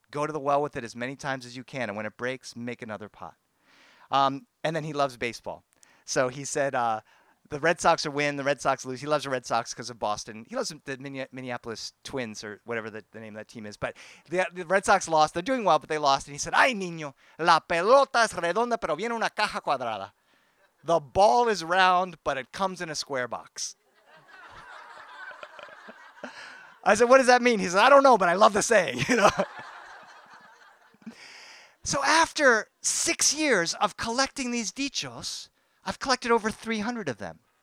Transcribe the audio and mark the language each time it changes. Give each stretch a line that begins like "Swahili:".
English: Go to the well with it as many times as you can, and when it breaks, make another pot. And then he loves baseball. So he said, the Red Sox are win, the Red Sox lose. He loves the Red Sox because of Boston. He loves the Minneapolis Twins or whatever the name of that team is. But the Red Sox lost. They're doing well, but they lost. And he said,
Spanish: ay, niño, la pelota es redonda, pero viene una caja cuadrada.
English: The ball is round, but it comes in a square box. I said, what does that mean? He said, I don't know, but I love the saying, you know. So after 6 years of collecting these dichos, I've collected over 300 of them.